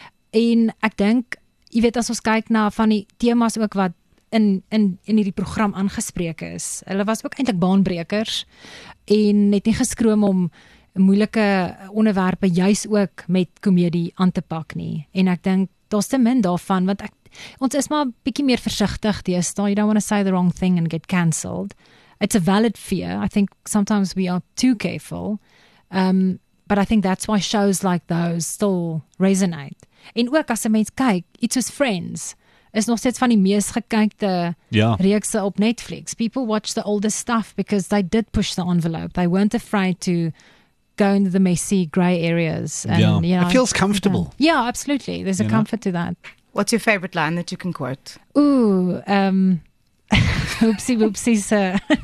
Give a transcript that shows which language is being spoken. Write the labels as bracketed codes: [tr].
[af] En ek dink, jy weet, as ons kyk na van die themas ook wat in hierdie program aangespreek is, hulle was ook eintlik baanbrekers en het nie geskroom om moeilike onderwerpe juis ook met komedie aan te pak nie. En ek dink, daar's te min daarvan, want ek ons is maar bietjie meer versigtig deesdae. [en] You don't want to say the wrong thing and get cancelled. It's a valid fear. I think sometimes we are too careful. But I think that's why shows like those still resonate. [af] En ook as 'n mens kyk, iets soos Friends is nog steeds van die mees gekykte reekse op Netflix. [en] People watch the older stuff because they did push the envelope. They weren't afraid to go into the messy grey areas. And, yeah, you know, it feels comfortable. Yeah, absolutely. There's a comfort to that. What's your favorite line that you can quote? Ooh, oopsie whoopsie, sir.